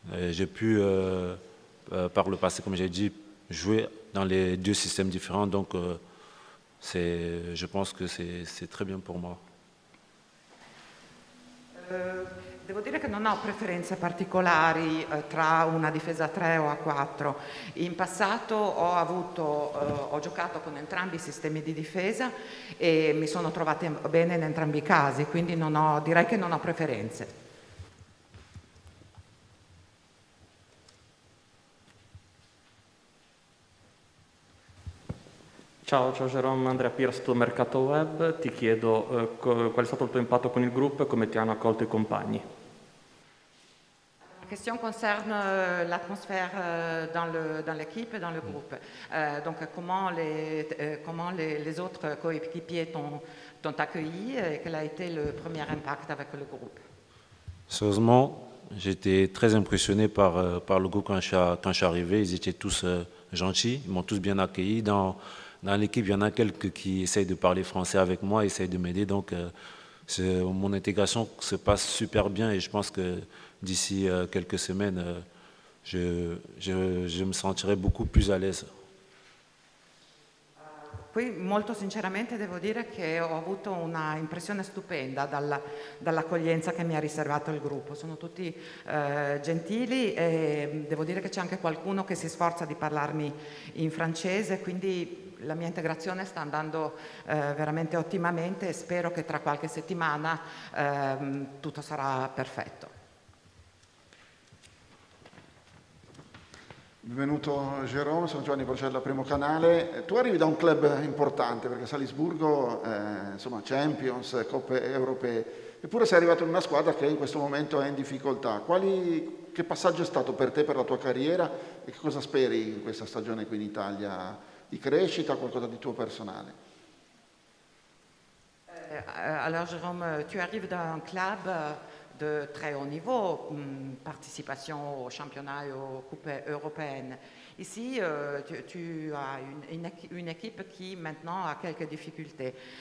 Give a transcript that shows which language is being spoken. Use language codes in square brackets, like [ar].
[fr] J'ai pu, par le passé, comme j'ai dit, jouer dans les deux systèmes différents. Donc je pense que c'est très bien pour moi. [it] Devo dire che non ho preferenze particolari tra una difesa a 3 o a 4. In passato ho giocato con entrambi i sistemi di difesa e mi sono trovata bene in entrambi i casi, quindi direi che non ho preferenze. Ciao Jerome, Andrea Pirs, tuo Mercato Web. Ti chiedo qual è stato il tuo impatto con il gruppo e come ti hanno accolto i compagni. [fr] La question concerne l'atmosphère dans l'équipe et dans le groupe. Donc, comment les autres coéquipiers t'ont accueilli et quel a été le premier impact avec le groupe? Sérieusement, j'étais très impressionné par le groupe quand je suis arrivé. Ils étaient tous gentils, ils m'ont tous bien accueilli. Dans l'équipe, il y en a quelques qui essayent de parler français avec moi, essayent de m'aider. Donc, mon intégration se passe super bien et je pense que d'ici quelques semaines, je me sentirai beaucoup plus à l'aise. [it] Qui molto sinceramente devo dire che ho avuto una impressione stupenda dall'accoglienza che mi ha riservato il gruppo. Sono tutti gentili e devo dire che c'è anche qualcuno che si sforza di parlarmi in francese, quindi la mia integrazione sta andando veramente ottimamente e spero che tra qualche settimana tutto sarà perfetto. Benvenuto Jérôme, sono Giovanni Borgella, Primo Canale. Tu arrivi da un club importante perché Salisburgo, insomma, Champions, Coppe Europee, eppure sei arrivato in una squadra che in questo momento è in difficoltà. Che passaggio è stato per te, per la tua carriera e che cosa speri in questa stagione qui in Italia? Di crescita, qualcosa di tuo personale? [fr] Alors, Jérôme, tu arrives d'un club de très haut niveau, participation au championnat et aux coupes européennes. Ici, tu as une équipe qui maintenant a quelques difficultés.